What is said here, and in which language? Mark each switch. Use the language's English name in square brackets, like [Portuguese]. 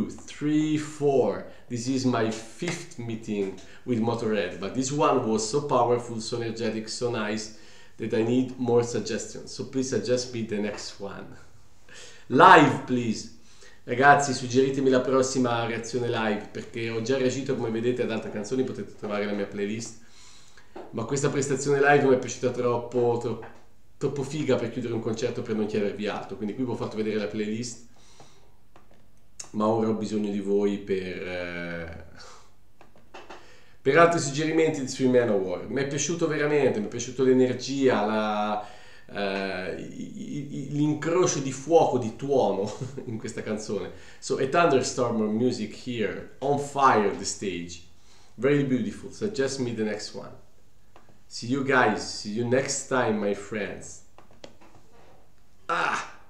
[English] 1, 2, 3, 4. This is my fifth meeting with Mothorhead, but this one was so powerful, so energetic, so nice that I need more suggestions. So please suggest me the next one. Live, please. [Italian] Ragazzi, suggeritemi la prossima reazione live, perché ho già reagito, come vedete, ad altre canzoni, potete trovare la mia playlist. Ma questa prestazione live mi è piaciuta troppo, troppo figa per chiudere un concerto per non chiedervi altro. Quindi qui vi ho fatto vedere la playlist. Ma ora ho bisogno di voi per altri suggerimenti sui Manowar. Mi è piaciuto veramente, mi è piaciuta l'energia, l'incrocio di fuoco, di tuono in questa canzone. [English] So, a thunderstorm of music here, on fire the stage. Very beautiful, suggest me the next one. See you guys, see you next time, my friends. Ah!